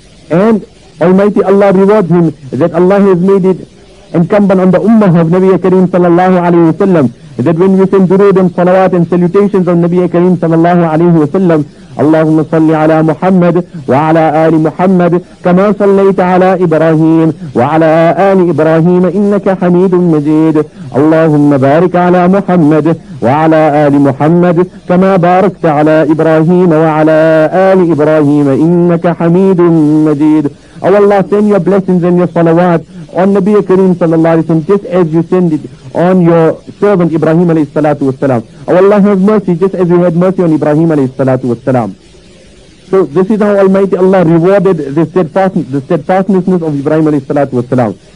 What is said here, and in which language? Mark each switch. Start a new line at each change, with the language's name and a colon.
English: And Almighty Allah rewards him that Allah has made it incumbent on the Ummah of Nabi Kareem sallallahu alayhi wa sallam, that when we send durood and salawat and salutations on Nabi Kareem sallallahu alayhi wa sallam,
Arabic: اللهم صل على محمد وعلى آل محمد كما صليت على إبراهيم وعلى آل إبراهيم إنك حميد مجيد. اللهم بارك على محمد وعلى آل محمد كما باركت على إبراهيم وعلى آل إبراهيم إنك حميد مجيد.
English: Oh Allah, send your blessings and your salawat on Nabi Kareem sallallahu alayhi wa sallam, just as you send it on your servant Ibrahim alayhi salatu wassalam. Oh Allah, have mercy just as you had mercy on Ibrahim alayhi salatu wassalam. So this is how Almighty Allah rewarded the steadfastness of Ibrahim alayhi salatu wassalam.